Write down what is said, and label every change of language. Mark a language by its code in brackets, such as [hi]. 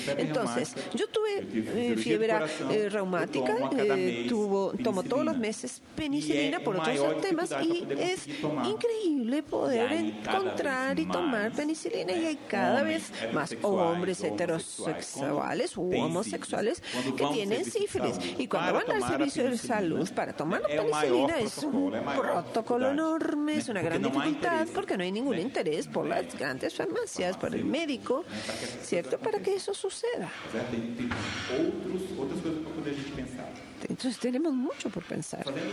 [es] Entonces, yo tuve fiebre reumática, tomo todos los meses penicilina por otros temas y es increíble poder encontrar y tomar penicilina y hay cada vez más hombres heterosexuales u homosexuales que tienen sífilis y cuando van al servicio de salud para tomar penicilina es un protocolo enorme, es una gran dificultad porque no hay ningún interés por las grandes farmacias, por el médico, ¿cierto? Para que eso suceda. [pt] Outras coisas para poder a gente pensar. [es] Entonces tenemos mucho por pensar.